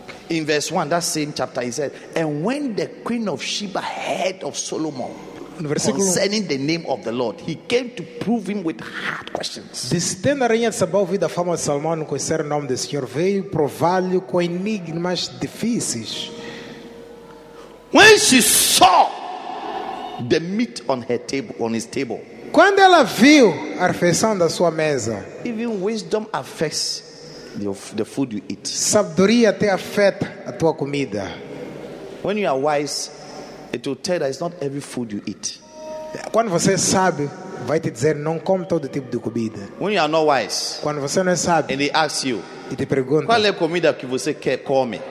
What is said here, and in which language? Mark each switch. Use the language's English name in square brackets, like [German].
[English] In verse 1, that same chapter, he said, and when the queen of Sheba heard of Solomon concerning the name of the Lord, he came to prove him with hard questions. [Portuguese] Distendo a rainha de Sabá ouvir da fama de Salomão no conhecer o nome do Senhor, veio prová-lo com enigmas difíceis. [English] When she saw the meat on her table, on his table, [Portuguese] quando ela viu a refeição da sua mesa, [English] even wisdom affects the food you eat. [Portuguese] Sabedoria até afeta a tua comida. [English] When you are wise, it will tell that it's not every food you eat. [Portuguese] Quando você é sábio, vai te dizer não come todo tipo de comida. [English] When you are not wise, [Portuguese] quando você não é sábio, [English] and they ask you, [Portuguese] e te pergunta, qual é a comida que você quer comer?